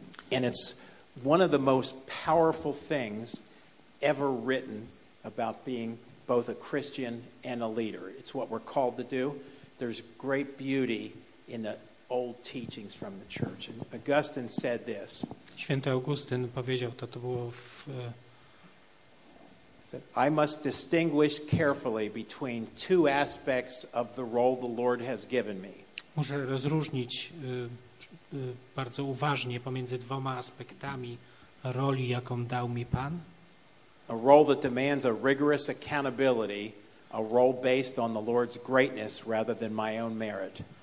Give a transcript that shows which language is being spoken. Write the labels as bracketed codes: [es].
[en] And it's one of the most powerful things ever written about being both a Christian and a leader. It's what we're called to do. There's great beauty in the old teachings from the church. And Augustine said this. [pl] Święty Augustyn powiedział to, to było w... [en] That I must distinguish carefully between two aspects of the role the Lord has given me. [pl] Muszę rozróżnić bardzo uważnie pomiędzy dwoma aspektami roli, jaką dał mi Pan. [en] A role that demands a rigorous accountability, a role based on the Lord's greatness rather than my own merit.